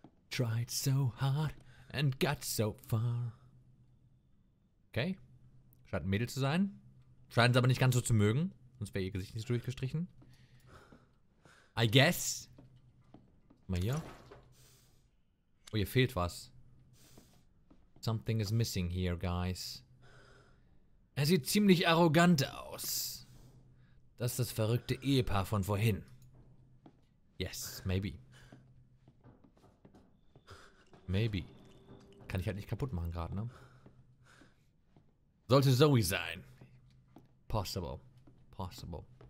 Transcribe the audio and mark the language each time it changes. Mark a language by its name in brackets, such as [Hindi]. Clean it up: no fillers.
[English] Tried so hard and got so far. Okay. [German] Scheint ein Mädel zu sein. Scheint es aber nicht ganz so zu mögen. Sonst wäre ihr Gesicht nicht durchgestrichen. [English] I guess. [German] Mal hier. Oh, hier fehlt was. [English] Something is missing here, guys. [German] Er sieht ziemlich arrogant aus. Das ist das verrückte Ehepaar von vorhin. [English] Yes, maybe. Maybe. [German] Kann ich halt nicht kaputt machen gerade, ne? Sollte Zoe sein. [English] Possible. Possible.